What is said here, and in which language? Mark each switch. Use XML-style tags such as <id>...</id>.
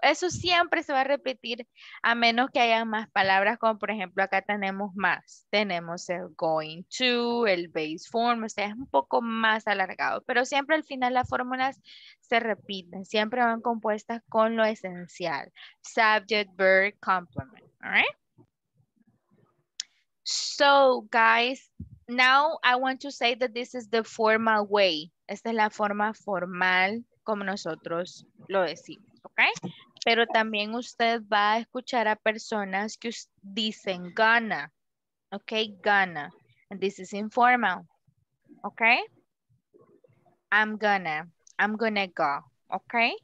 <es>Eso siempre se va a repetir a menos que haya más palabras, como por ejemplo acá tenemos más. Tenemos el going to, el base form, o sea, es un poco más alargado. Pero siempre al final las fórmulas se repiten, siempre van compuestas con lo esencial.</es> <en>Subject, verb, complement, all right? So, guys, now I want to say that this is the formal way.</en> <es>Esta es la forma formal como nosotros lo decimos, ¿ok? Pero también usted va a escuchar a personas que dicen gonna, ¿ok? Gonna.</es> <en>And this is informal, ¿ok? I'm gonna go, ¿ok?</en>